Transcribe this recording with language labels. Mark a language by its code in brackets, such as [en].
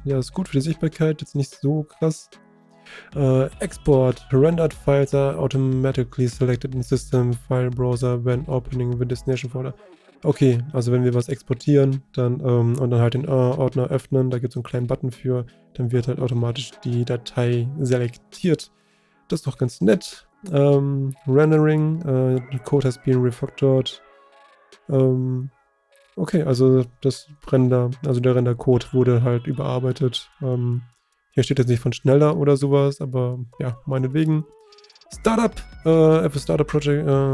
[de] Ja, ist gut für die Sichtbarkeit, jetzt nicht so krass. [en] Export, rendered files are automatically selected in System File Browser when opening the Destination Folder. [de] Okay, also wenn wir was exportieren dann, und dann halt den Ordner öffnen, da gibt es einen kleinen Button für, dann wird halt automatisch die Datei selektiert. Das ist doch ganz nett. [en] Rendering, Code has been refactored. [de] Okay, also das Render, also der Rendercode wurde halt überarbeitet. Hier steht jetzt nicht von schneller oder sowas, aber ja, meinetwegen. [en] Startup, Apple Startup Project.